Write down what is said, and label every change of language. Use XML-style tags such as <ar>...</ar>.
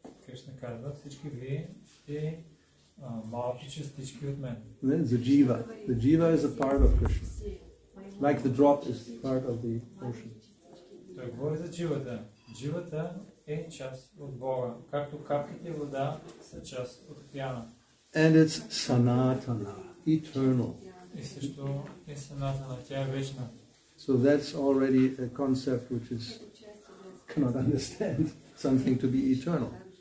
<bg>Krishna казва, всички ви сте малки частички от мен.</bg> <en>Then the jiva. The jiva is a part of Krishna. Like the drop is part of the ocean.</en> <bg>Той говори за дживата. Дживата е част от Бога, както капките вода са част от океана.</bg> <en>And it's sanatana, eternal.</en> <bg>И също е sanatana, тя е вечна.</bg> <en>So that's already a concept which is cannot understand something to be eternal.</en>